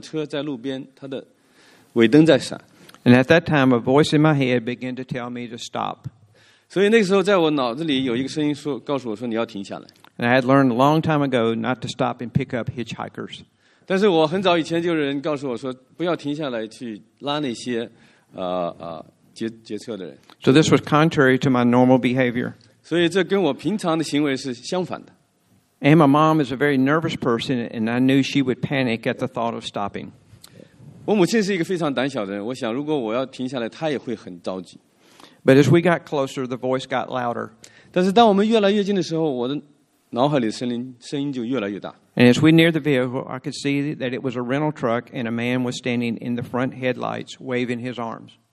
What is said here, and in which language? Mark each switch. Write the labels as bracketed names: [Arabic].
[Chinese] 当我开到一个坡顶的时候，我看到很远地方有一辆车在路边，它的尾灯在闪。 [English] And at that time, a voice in my head began to tell me to stop. [Chinese] 所以那个时候，在我脑子里有一个声音说，告诉我说你要停下来。 [English] And I had learned a long time ago not to stop and pick up hitchhikers. [Chinese] 但是我很早以前就有人告诉我说，不要停下来去拉那些劫车的人。 [English] So this was contrary to my normal behavior. [Chinese] 所以这跟我平常的行为是相反的。 [English] And my mom is a very nervous person, and I knew she would panic at the thought of stopping. [Chinese] 我母亲是一个非常胆小的人，我想如果我要停下来，她也会很着急。 [English] But as we got closer, the voice got louder. [Chinese] 但是当我们越来越近的时候，我的脑海里的声音就越来越大。 [English] And as we neared the vehicle, I could see that it was a rental truck, and a man was standing in the front headlights, waving his arms.